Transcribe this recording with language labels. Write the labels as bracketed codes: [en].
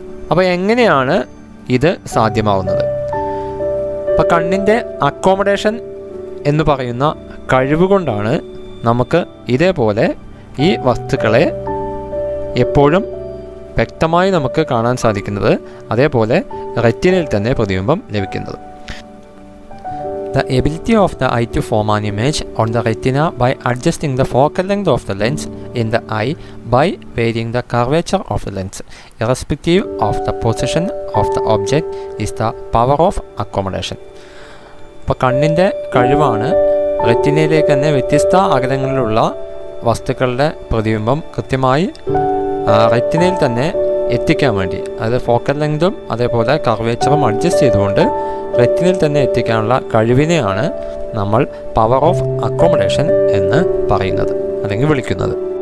[ml] അപ്പോൾ എങ്ങനെയാണ് ഇത് സാധ്യമാവുന്നത്? അപ്പോൾ കണ്ണിൻ്റെ അക്കോമഡേഷൻ എന്ന് പറയുന്ന കഴിവുകൊണ്ടാണ് നമുക്ക് ഇതേപോലെ ഈ വസ്തുക്കളെ എപ്പോഴും വ്യക്തമായി നമുക്ക് കാണാൻ സാധിക്കുന്നത്, അതേപോലെ റെറ്റിനയിൽ തന്നെ പ്രതിബിംബം ലഭിക്കുന്നത്. [en] The ability of the eye to form an image on the retina by adjusting the focal length of the lens in the eye by varying the curvature of the lens irrespective of the position of the object is the power of accommodation. [ml] അപ്പോൾ കണ്ണിൻ്റെ കഴിവാണ് റെറ്റിനയിലേക്ക് തന്നെ വ്യത്യസ്ത അകലങ്ങളിലുള്ള വസ്തുക്കളുടെ പ്രതിബിംബം കൃത്യമായി റെറ്റിനയിൽ തന്നെ എത്തിക്കാൻ വേണ്ടി, അതായത് ഫോക്കൽ ലെങ്തും അതേപോലെ കർവേച്ചറും അഡ്ജസ്റ്റ് ചെയ്തുകൊണ്ട് റെറ്റിനയിൽ തന്നെ എത്തിക്കാനുള്ള കഴിവിനെയാണ് നമ്മൾ പവർ ഓഫ് അക്കോമഡേഷൻ എന്ന് പറയുന്നത് അല്ലെങ്കിൽ വിളിക്കുന്നത്.